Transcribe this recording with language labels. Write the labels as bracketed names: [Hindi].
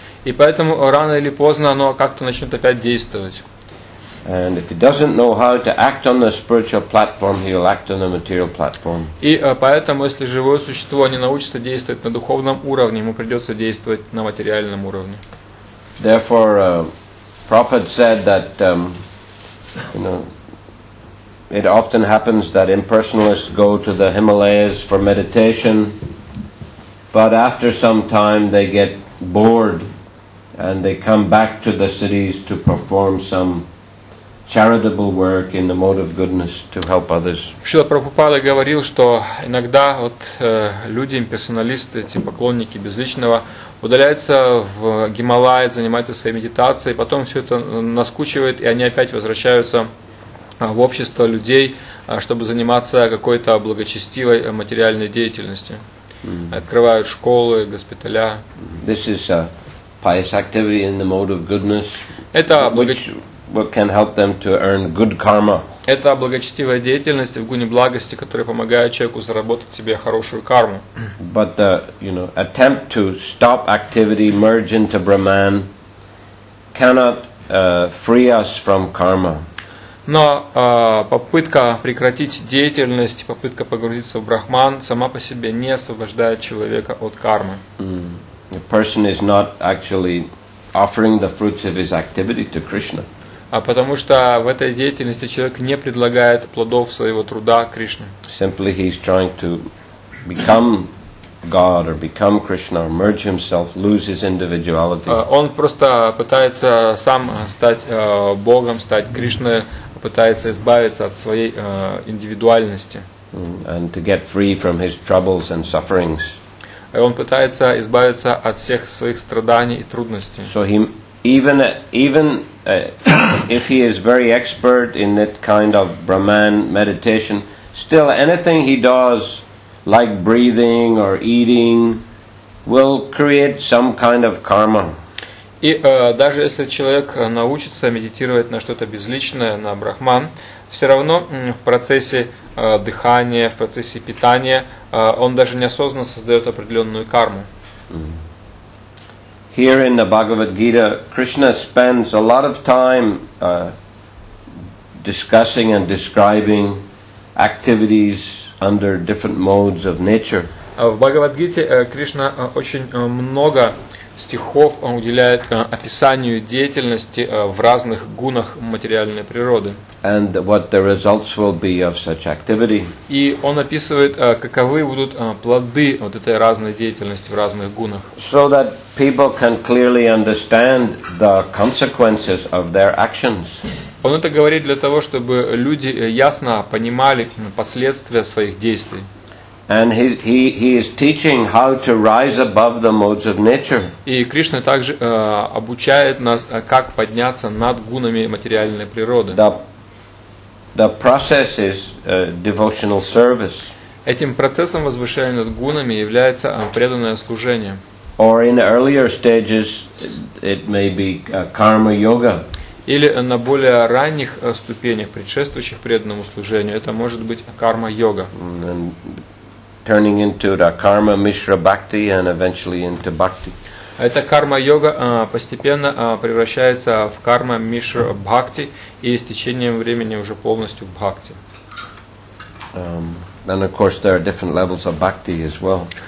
[Russian] И поэтому рано или поздно оно как-то начнет опять действовать. И поэтому, если живое существо не научится действовать на духовном уровне, ему придется действовать на материальном уровне. [English] Therefore, Prabhupada said that, it often happens that impersonalists go to the Himalayas for meditation, but after some time they get bored. And they come back to the cities to perform some charitable work in the mode of goodness to help others. [Russian] Шрила Прабхупада говорил, что иногда вот люди, имперсоналисты, эти поклонники безличного, удаляются в Гималаи, занимаются своей медитацией, потом все это наскучивает, и они опять возвращаются в общество людей, чтобы заниматься какой-то благочестивой материальной деятельностью. Mm-hmm. Открывают школы, госпиталя. [English] This is a pious activity in the mode of goodness, which can help them to earn good karma. [Russian] Это благочестивая деятельность в гуне благости, которая помогает человеку заработать себе хорошую карму. [English] But the attempt to stop activity, merge into Brahman, cannot free us from karma. [Russian] Но попытка прекратить деятельность, попытка погрузиться в Брахман, сама по себе не освобождает человека от кармы. [English] A person is not actually offering the fruits of his activity to Krishna. [Russian] А потому что в этой деятельности человек не предлагает плодов своего труда Кришне. [English] Simply he is trying to become God or become Krishna or merge himself, lose his individuality. [Russian] Он просто пытается сам стать Богом, стать Кришной, пытается избавиться от своей индивидуальности. [English] And to get free from his troubles and sufferings. [Russian] И он пытается избавиться от всех своих страданий и трудностей. [English] So he, if he is very expert in that kind of Brahman meditation, still anything he does, like breathing or eating, will create some kind of karma. [Russian] И даже если человек научится медитировать на что-то безличное, на Брахман, все равно в процессе дыхания, в процессе питания, он даже неосознанно создает определенную карму. [English] Here in the Bhagavad Gita, Krishna spends a lot of time discussing and describing activities under different modes of nature. [Russian] В Бхагавадгите Кришна очень много стихов уделяет описанию деятельности в разных гунах материальной природы. [English] And what the results will be of such activity. [Russian] И он описывает, каковы будут плоды вот этой разной деятельности в разных гунах. [English] So that people can clearly understand the consequences of their actions. [Russian] Он это говорит для того, чтобы люди ясно понимали последствия своих действий. [English] And he is teaching how to rise above the modes of nature. [Russian] И Кришна также обучает нас, как подняться над гунами материальной природы. [English] The process is devotional service. [Russian] Этим процессом возвышения над гунами является преданное служение. [English] Or in earlier stages, it may be karma yoga. [Russian] Или на более ранних ступенях, предшествующих преданному служению, это может быть карма йога. [English] Turning into the karma mishra bhakti and eventually into bhakti. [Russian] Эта карма йога постепенно превращается в карма мишра бхакти и с течением времени уже полностью в бхакти. [English] And of course there are different levels of bhakti as well.